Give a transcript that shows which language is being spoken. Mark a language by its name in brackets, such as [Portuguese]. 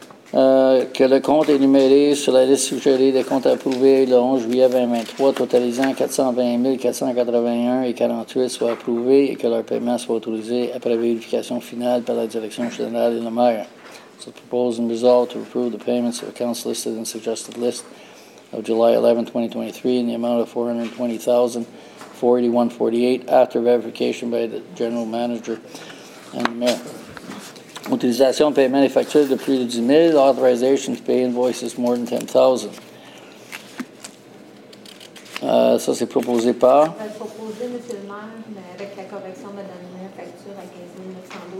[French] Que le compte est énuméré sur la liste suggérée des comptes approuvés le 11 juillet 2023, totalisant 420 481,48 soit approuvé et que leur paiement soit autorisé après vérification finale par la Direction générale et le maire. [English] So propose and resolve to approve the payments of accounts listed in suggested list of July 11, 2023 in the amount of $420,481.48 after verification by the general manager Mayor. [French] Utilisation de paiement des factures de plus de 10 000. [English] Authorization to pay invoices more than 10,000. [French] Ça, c'est proposé par... Proposé, M. le maire, avec la correction de la dernière facture à 15 900.